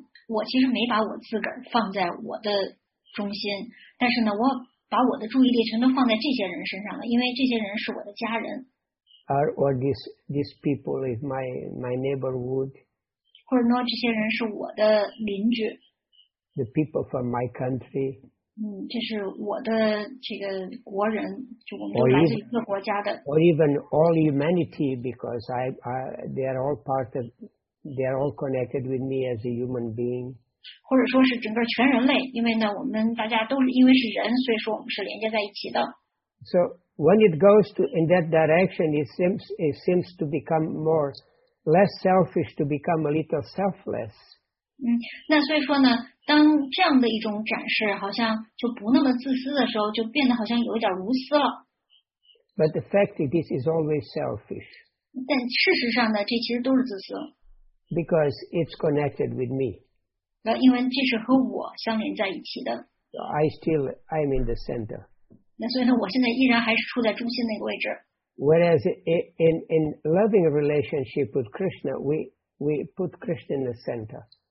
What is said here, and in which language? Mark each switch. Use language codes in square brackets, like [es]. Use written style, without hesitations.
[zh] 我其实没把我自个儿放在我的中心，但是呢，我把我的注意力全都放在这些人身上了，因为这些人是我的家人。 [en] Or these people is my neighborhood. [zh] 或者呢，这些人是我的邻居。 [en] The people from my country. [zh] 这是我的这个国人，就我们来自一个国家的。 [en] Or even all humanity, because I they are all part of. They are all connected with me as a human being. [zh] 或者说是整个全人类，因为呢，我们大家都是因为是人，所以说我们是连接在一起的。 [en] So when it goes to in that direction, it seems to become more less selfish, to become a little selfless. [zh] 那所以说呢，当这样的一种展示，好像就不那么自私的时候，就变得好像有点无私了。 [en] But the fact is, this is always selfish. [zh] 但事实上呢，这其实都是自私。 [en] Because it's connected with me. [zh] 因为这是和我相连在一起的。 [en] I'm in the center. [zh] 那所以呢，我现在依然还是处在中心那个位置。 [en] Whereas in loving relationship with Krishna, we put Krishna in the center.